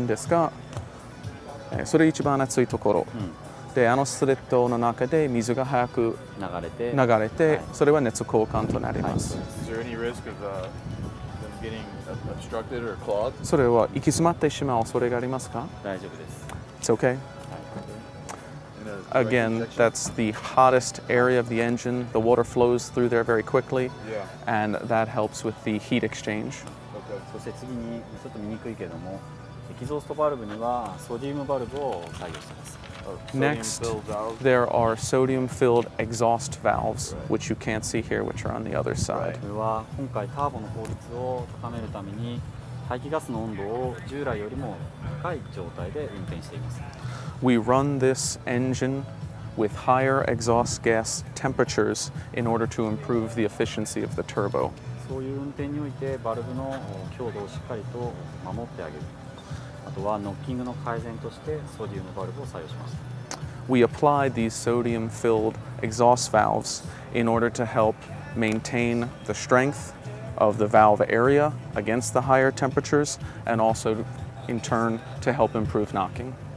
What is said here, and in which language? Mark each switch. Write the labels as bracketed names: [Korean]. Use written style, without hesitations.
[Japanese] で、確認ですが、それ一番熱いところ。で、あのスレッドの中で水が早く流れて、それは熱交換となります。 [English] Is there any risk of them getting obstructed or clogged? [Japanese] それは行き詰まってしまう恐れがありますか? 大丈夫です。 [English] It's okay. Again, that's the hottest area of the engine. The water flows through there very quickly, and that helps with the heat exchange. [Japanese] そして次にちょっと見にくいけども、エキゾーストバルブにはソディウムバルブを採用します。 [English] Next, there are sodium-filled exhaust valves, which you can't see here, which are on the other side. [Japanese] これは今回ターボの効率を高めるために、排気ガスの温度を従来よりも高い状態で運転しています。 [English] We run this engine with higher exhaust gas temperatures in order to improve the efficiency of the turbo. [Japanese] そういう運転においてバルブの強度をしっかりと守ってあげる。あとはノッキングの改善としてソディウムバルブを採用します。 [English] We apply these sodium-filled exhaust valves in order to help maintain the strength of the valve area against the higher temperatures and also in turn to help improve knocking.